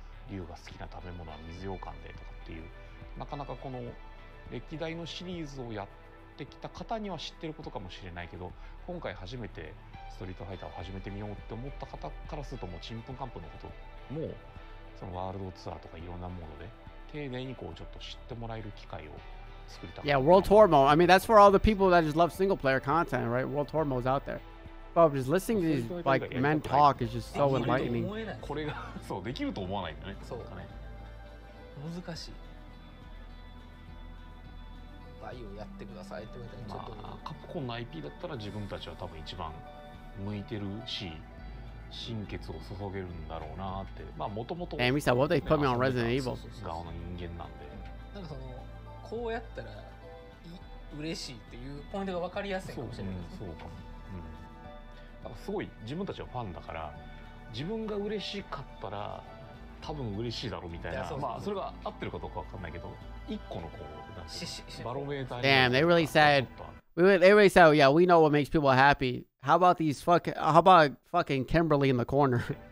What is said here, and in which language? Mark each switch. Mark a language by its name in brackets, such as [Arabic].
[Japanese] 竜が好きな食べ物は水羊羹でとかっていう、なかなかこの歴代のシリーズをやってきた方には知ってることかもしれないけど、今回初めてストリートファイターを始めてみようって思った方からすると、もうチンプンカンプンのこともそのワールドツアーとかいろんなもので丁寧にこうちょっと知ってもらえる機会を作りた [English] い。 Yeah, World Tour Mode. I mean, that's for all the people that just love single player content, right? World Tour Mode's out there. But just listening to these like men talk is just so enlightening. [Japanese] これがそうできると思わないんだね。そうかね。難しい。バイオやってくださいって言われたら、まあカプコンの IP だったら自分たちは多分一番向いてるし。心血を注げるんだろうなって、まあ元々。 [English] Hey, Mr. What they put me on Resident Evil? [Japanese] 側の人間なんで。なんかそのこうやったら嬉しいっていうポイントが分かりやすいかもしれない。そうかも。うん。だからすごい自分たちはファンだから、自分が嬉しかったら多分嬉しいだろうみたいな。まあそれが合ってるかどうか分かんないけど、一個のこうなんかバロメーター。 [English] Damn, they really said. Everybody said, yeah, we know what makes people happy. How about these fucking, how about fucking Kimberly in the corner?